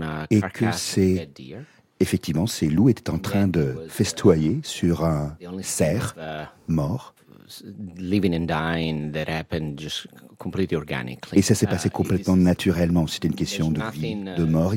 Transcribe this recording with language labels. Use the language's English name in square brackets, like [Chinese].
[French] Et que c'est... Effectivement, ces loups étaient en train de festoyer sur un cerf mort. [English] Living and dying that happened just completely organically. [French] Et ça s'est passé complètement naturellement. C'était une question de vie, de mort.